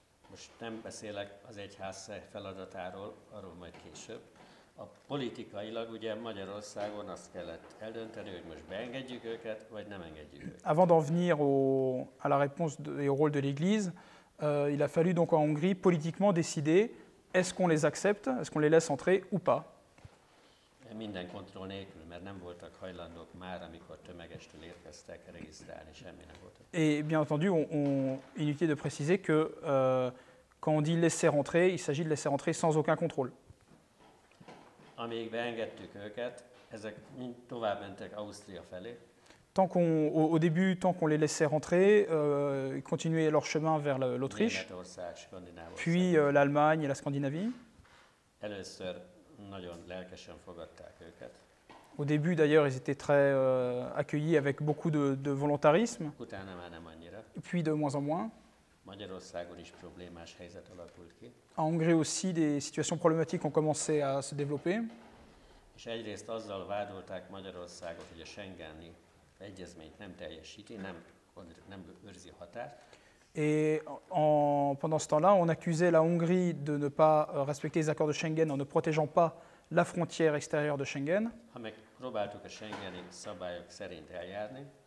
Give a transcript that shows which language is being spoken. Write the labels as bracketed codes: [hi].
[hu] Most nem beszélek az egyház feladatáról, arról majd később. A politikailag ugye Magyarországon azt kellett eldönteni, hogy most beengedjük őket, vagy nem engedjük őket. [fr] Avant d'en venir à la réponse et au rôle de l'Église, il a fallu donc en Hongrie politiquement décider est-ce qu'on les accepte, est-ce qu'on les laisse entrer ou pas. [hu] Minden kontroll nélkül, mert nem voltak hajlandók már, amikor tömegestől érkeztek, regisztrálni semmi nem volt. [fr] Et bien entendu, on inutile de préciser que quand on dit laisser rentrer, il s'agit de laisser rentrer sans aucun contrôle. [hu] Amíg beengedtük őket, ezek mind tovább mentek Ausztria felé. [fr] Tant qu'on, au début, tant qu'on les laissait rentrer, ils continuaient leur chemin vers l'Autriche, puis l'Allemagne et la Scandinavie. [hu] Először nagyon lelkesen fogadták őket. [fr] Au début, d'ailleurs, ils étaient très accueillis avec beaucoup de volontarisme. [hu] Utána már nem annyira. [fr] Puis de moins en moins. [hu] Magyarországon is problémás helyzet alakult ki. [fr] En Hongrie aussi, des situations problématiques ont commencé à se développer. [hu] És egyrészt azzal vádolták Magyarországot, hogy a Schengeni egyezményt nem teljesíti, nem őrzi a határt. [fr] Et pendant ce temps-là, on accusait la Hongrie de ne pas respecter les accords de Schengen en ne protégeant pas la frontière extérieure de Schengen. [hu] Ha megpróbáltuk a Schengeni szabályok szerint eljárni.